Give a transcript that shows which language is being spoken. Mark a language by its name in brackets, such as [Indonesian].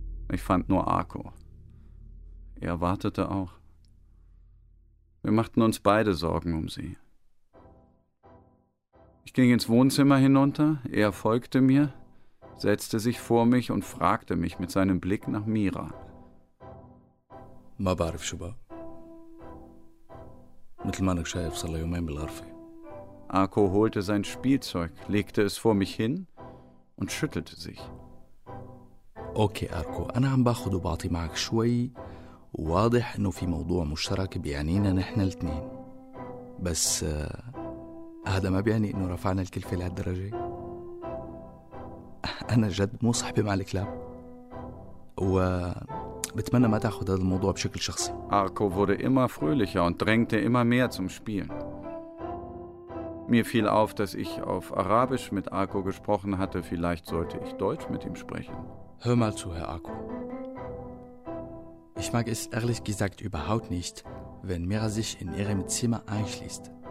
[German] Ich fand nur Arko. Er wartete auch. Wir machten uns beide Sorgen um sie. Ich ging ins Wohnzimmer hinunter, er folgte mir, setzte sich vor mich und fragte mich mit seinem Blick nach Mira. [Arabic] ما بعرف شو بقى مثل ما انك شايف صار لي يومين بالغرفه. [German] Arko holte sein Spielzeug, legte es vor mich hin und schüttelte sich. [Arabic] اوكي Arko, انا عم باخذ وبعطي معك شوي وواضح انه في موضوع مشترك بيعنينا نحن الاثنين, بس هذا ما بيعني انه رفعنا الكلفه لهالدرجه. انا جد مو صاحبي مع الكلاب و بتمنى ما تاخذ هذا الموضوع بشكل شخصي. [German] Arko wurde immer fröhlicher und drängte immer mehr zum Spielen. Mir fiel auf, dass ich auf Arabisch mit Arko gesprochen hatte, vielleicht sollte ich Deutsch mit ihm sprechen. Hör mal zu, Herr Arko. Ich mag es ehrlich gesagt überhaupt nicht, wenn Mira sich in ihrem Zimmer einschließt.